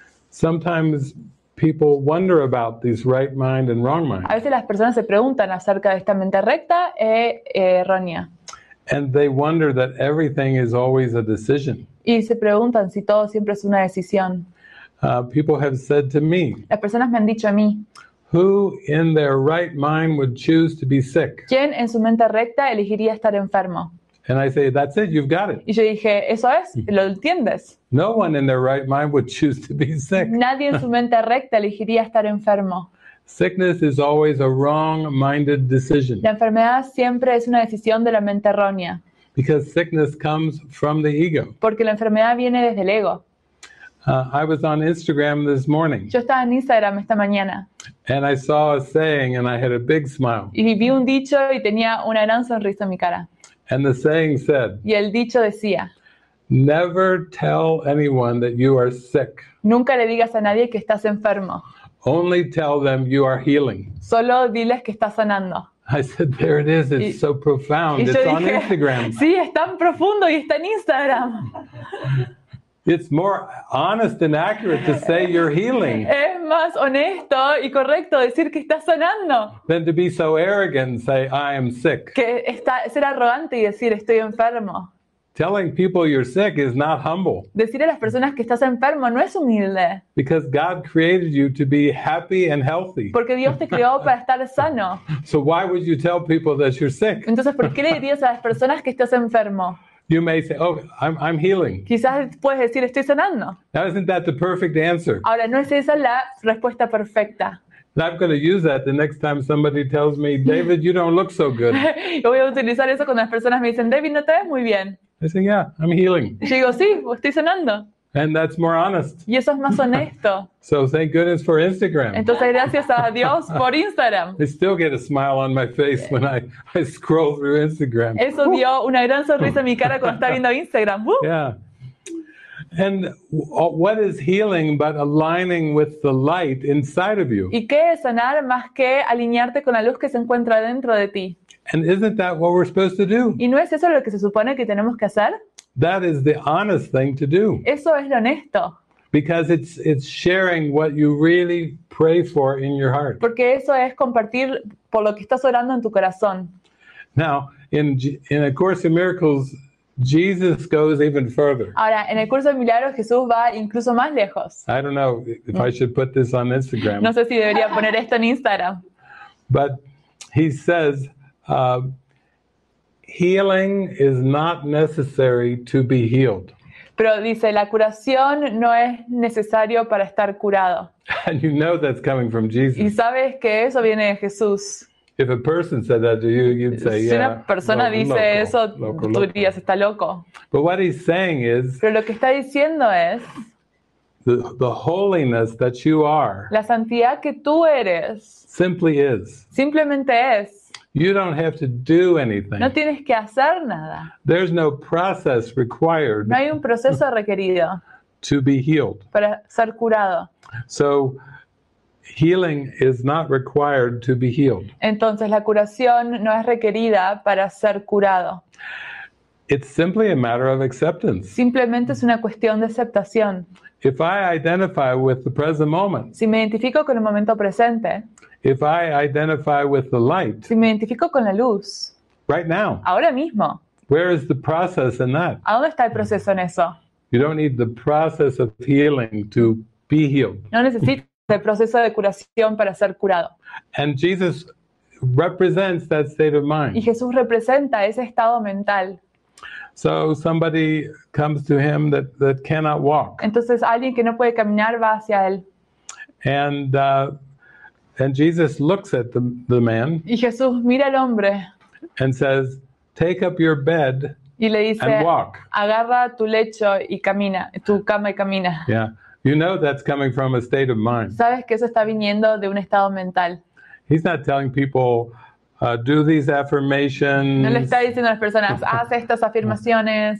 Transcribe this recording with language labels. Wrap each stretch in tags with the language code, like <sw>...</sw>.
<en>Sometimes people wonder about these right mind and wrong mind.</en> <es>A veces las personas se preguntan acerca de esta mente recta e errónea.</es> <en>And they wonder that everything is always a decision.</en> <es>Y se preguntan si todo siempre es una decisión.</es> <en>People have said to me.</en> <es>Las personas me han dicho a mí.</es> <en>Who in their right mind would choose to be sick?</en> <es>¿Quién en su mente recta elegiría estar enfermo?</es> <en>And I say, that's it, you've got it.</en> <es>Y yo dije, eso es, lo entiendes.</es> <en>No one in their right mind would choose to be sick.</en> <es>Nadie en su mente recta elegiría estar enfermo.</es> <en>Sickness is always a wrong-minded decision.</en> <es>La enfermedad siempre es una decisión de la mente errónea.</es> <en>Because sickness comes from the ego.</en> <es>Porque la enfermedad viene desde el ego.</es> <en>I was on Instagram this morning.</en> <es>Yo estaba en Instagram esta mañana.</es> <en>And I saw a saying and I had a big smile.</en> <es>Y vi un dicho y tenía una gran sonrisa en mi cara.</es> <en>And the saying said,</en> <es>y el dicho decía,</es> <en>never tell anyone that you are sick.</en> <es>Nunca le digas a nadie que estás enfermo.</es> <en>Only tell them you are healing.</en> <es>Solo diles que estás sanando.</es> <en>I said, there it is, it's so profound, it's on Instagram.</en> <es>Sí, es tan profundo y está en Instagram.</es> <en>It's more honest and accurate to say you're healing.</en> <es>Es más honesto y correcto decir que estás sanando.</es> <en>Than to be so arrogant and say I am sick.</en> <es>Que está ser arrogante y decir estoy enfermo.</es> <en>Telling people you're sick is not humble.</en> <es>Decir a las personas que estás enfermo no es humilde.</es> <en>Because God created you to be happy and healthy.</en> <es>Porque Dios te creó para estar sano.</es> <en>So why would you tell people that you're sick?</en> <es>Entonces, ¿por qué le dirías a las personas que estás enfermo?</es> <en>You may say, "Oh, I'm healing."</en> <es>Quizás puedes decir, "Estoy sanando."</es> <en>Now, isn't that the perfect answer?</en> <es>Ahora, ¿no es esa la respuesta perfecta?</es> <en>And I'm going to use that the next time somebody tells me, "David, you don't look so good."</en> <es>Yo voy a utilizar eso cuando las personas me dicen, "David, no te ves muy bien."</es> <en>I say, "Yeah, I'm healing."</en> <es>Y digo, "Sí, estoy sanando."</es> <en>And that's more honest.</en> <es>Y eso es más honesto.</es> <en>So thank goodness for Instagram.</en> <es>Entonces gracias a Dios por Instagram.</es> <en>I still get a smile on my face when I scroll through Instagram.</en> <es>Eso dio una gran sonrisa en mi cara cuando estaba viendo Instagram.</es> <en>Yeah. And what is healing but aligning with the light inside of you?</en> <es>¿Y qué es sanar más que alinearte con la luz que se encuentra dentro de ti?</es> <en>And isn't that what we're supposed to do?</en> <es>¿Y no es eso lo que se supone que tenemos que hacer?</es> <en>That is the honest thing to do.</en> <es>Eso es lo honesto.</es> <en>Because it's sharing what you really pray for in your heart.</en> <es>Porque eso es compartir por lo que estás orando en tu corazón.</es> <en>Now, in A Course in Miracles, Jesus goes even further.</en> <es>Ahora, en el curso de milagros, Jesús va incluso más lejos.</es> <en>I don't know if I should put this on Instagram.</en> <es>No sé si debería poner esto en Instagram.</es> <en>But he says, healing is not necessary to be healed.</en> <es>Pero dice, la curación no es necesario para estar curado.</es> <en>And you know that's coming from Jesus.</en> <es>Y sabes que eso viene de Jesús.</es> <en>If a person said that to you, you'd say,</en> <es>si</es> <en>yeah.</en> <es>Si una persona dice eso, loco, tú dirías, está loco.</es> <en>But what he's saying is,</en> <es>pero lo que está diciendo es,</es> <en>the holiness that you are,</en> <es>la santidad que tú eres,</es> <en>simply is.</en> <es>Simplemente es.</es> <en>You don't have to do anything.</en> <es>No tienes que hacer nada.</es> <en>There's no process required.</en> <es>No hay un proceso requerido.</es> <en>To be healed.</en> <es>Para ser curado.</es> <en>So, healing is not required to be healed.</en> <es>Entonces, la curación no es requerida para ser curado.</es> <en>It's simply a matter of acceptance.</en> <es>Simplemente es una cuestión de aceptación.</es> <en>If I identify with the present moment.</en> <es>Si me identifico con el momento presente.</es> <en>If I identify with the light.</en> <es>Si me identifico con la luz.</es> <en>Right now.</en> <es>Ahora mismo.</es> <en>Where is the process in that?</en> <es>¿A dónde está el proceso en eso?</es> <en>You don't need the process of healing to be healed.</en> <es>No necesitas el proceso de curación para ser curado.</es> <en>And Jesus represents that state of mind.</en> <es>Y Jesús representa ese estado mental.</es> <en>So somebody comes to him that cannot walk.</en> <es>Entonces alguien que no puede caminar va hacia él.</es> <en>And Jesus looks at the man.</en> <es>Y Jesús mira al hombre.</es> <en>And says, "Take up your bed</en> <es>y le dice,</es> <en>and walk."</en> <es>Agarra tu lecho y camina, tu cama y camina.</es> <en>Yeah, you know that's coming from a state of mind.</en> <es>Sabes que eso está viniendo de un estado mental.</es> <en>He's not telling people. Do these affirmations.</en> <es>No le está diciendo a las personas, haz estas afirmaciones.</es>